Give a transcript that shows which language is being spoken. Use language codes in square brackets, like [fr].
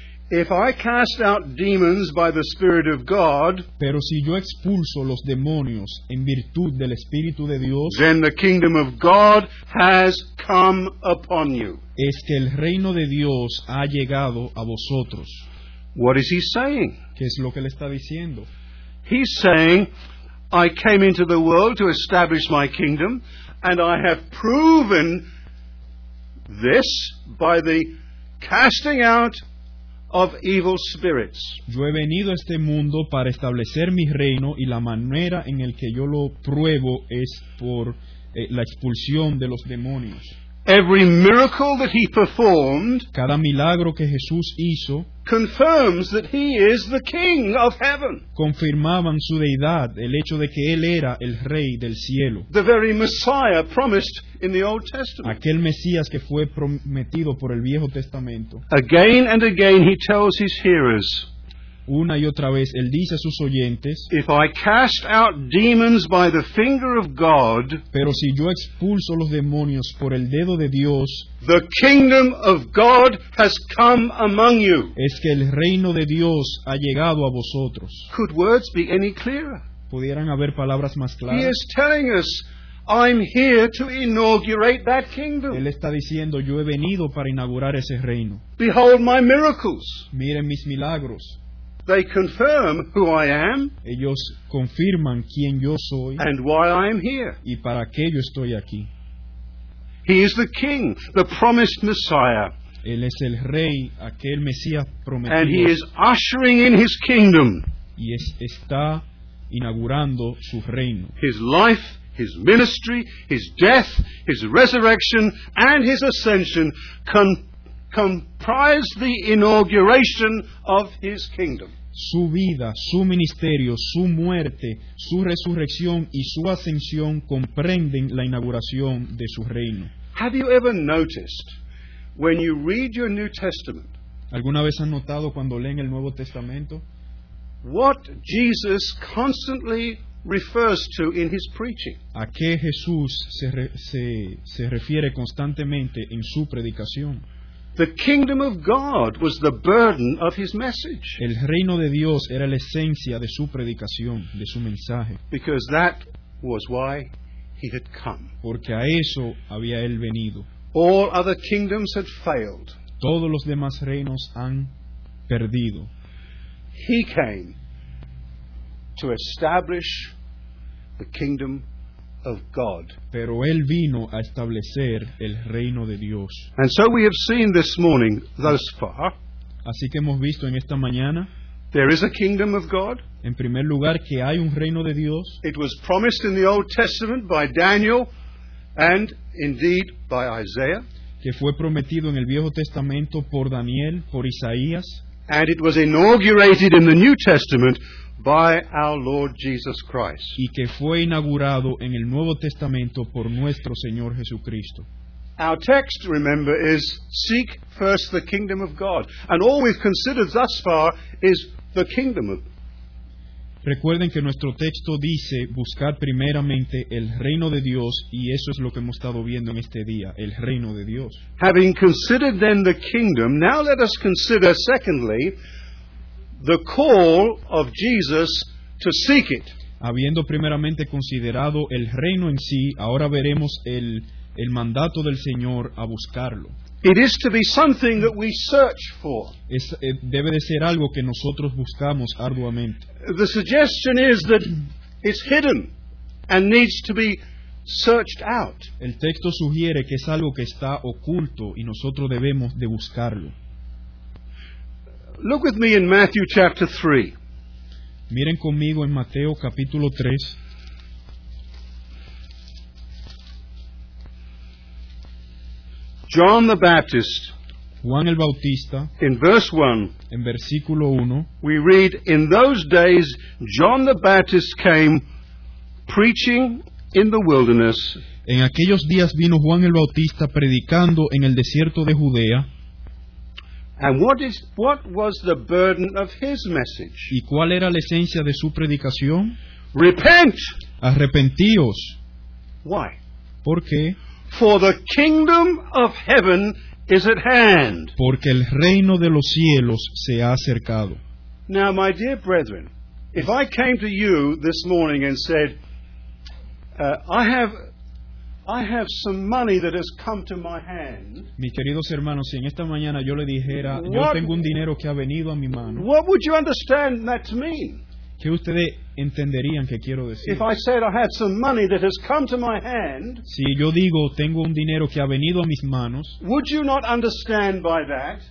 [en] if I cast out demons by the Spirit of God, [es] pero si yo expulso los demonios en virtud del Espíritu de Dios, [en] then the kingdom of God has come upon you. [es] Es que el reino de Dios ha llegado a vosotros. [en] What is he saying? [es] ¿Qué es lo que le está diciendo? [en] He's saying, I came into the world to establish my kingdom, and I have proven this by the casting out of evil spirits. [es] Yo he venido a este mundo para establecer mi reino y la manera en el que yo lo pruebo es por la expulsión de los demonios. [en] Every miracle that he performed, [es] cada milagro que Jesús hizo, [en] confirms that he is the King of heaven. [es] Confirmaban su deidad, el hecho de que él era el rey del cielo. [en] The very Messiah promised in the Old Testament. [es] Aquel Mesías que fue prometido por el Viejo Testamento. [en] Again and again he tells his hearers, [es] una y otra vez él dice a sus oyentes, [en] if I cast out demons by the finger of God, [es] pero si yo expulso los demonios por el dedo de Dios, [en] the kingdom of God has come among you. [es] Es que el reino de Dios ha llegado a vosotros. [en] Could words be any clearer? [es] ¿Pudieran haber palabras más claras? [en] He is telling us, I'm here to inaugurate that kingdom. [es] Él está diciendo, yo he venido para inaugurar ese reino. [en] Behold my miracles. [es] Miren mis milagros. [en] They confirm who I am. [es] Ellos confirman quién yo soy. [en] And why I am here. [es] Y para qué yo estoy aquí. [en] He is the King, the promised Messiah. [es] Él es el rey, aquel Mesías prometido. [en] And he is ushering in his kingdom. [es] Y está inaugurando su reino. [en] His life, his ministry, his death, his resurrection, and his ascension comprise the inauguration of his kingdom. [es] Su vida, su ministerio, su muerte, su resurrección y su ascensión comprenden la inauguración de su reino. [en] Have you ever noticed when you read your New Testament? [es] ¿Alguna vez han notado cuando leen el Nuevo Testamento? [en] What Jesus constantly refers to in his preaching. [es] ¿A qué Jesús se refiere constantemente en su predicación? [en] The kingdom of God was the burden of his message. [es] El reino de Dios era la esencia de su predicación, de su mensaje. [en] Because that was why he had come. [es] Porque a eso había él venido. [en] All other kingdoms had failed. [es] Todos los demás reinos han perdido. [en] He came to establish the kingdom of God. [es] Pero él vino a establecer el reino de Dios. [en] And so we have seen this morning thus far. [es] Así que hemos visto en esta mañana. [en] There is a kingdom of God. [es] En primer lugar, que hay un reino de Dios. [en] It was promised in the Old Testament by Daniel and indeed by Isaiah. [es] Que fue prometido en el Viejo Testamento por Daniel, por Isaías. [en] And it was inaugurated in the New Testament by our Lord Jesus Christ. [es] Y que fue inaugurado en el Nuevo Testamento por nuestro Señor Jesucristo. [en] Our text, remember, is seek first the kingdom of God. And all we've considered thus far is the kingdom of God. [es] Recuerden que nuestro texto dice buscar primeramente el reino de Dios, y eso es lo que hemos estado viendo en este día, el reino de Dios. [en] Having considered then the kingdom, now let us consider secondly the call of Jesus to seek it. [es] Habiendo primeramente considerado el reino en sí, ahora veremos el mandato del Señor a buscarlo. [en] It is to be something that we search for. [es] Debe de ser algo que nosotros buscamos arduamente. [en] The suggestion is that it's hidden and needs to be searched out. [es] El texto sugiere que es algo que está oculto y nosotros debemos de buscarlo. [en] Look with me in Matthew chapter 3. [es] Miren conmigo en Mateo capítulo 3. [en] John the Baptist, [es] Juan el Bautista, [en] in verse 1, [es] en versículo 1, [en] we read, in those days John the Baptist came preaching in the wilderness. [es] En aquellos días vino Juan el Bautista predicando en el desierto de Judea. [en] And what was the burden of his message? [es] ¿Y cuál era la esencia de su predicación? [en] Repent! [es] Arrepentíos. [en] Why? [es] ¿Por qué? [en] For the kingdom of heaven is at hand. [es] Porque el reino de los cielos se ha acercado. [en] Now, my dear brethren, if I came to you this morning and said, I have some money that has come to my hand. [es] Mis queridos hermanos, si en esta mañana yo le dijera, yo tengo un dinero que ha venido a mi mano. [en] What would you understand that to mean? [es] ¿Qué ustedes entenderían que quiero decir? [en] If I said I had some money that has come to my hand, [es] si yo digo tengo un dinero que ha venido a mis manos, [en] would you not understand by that,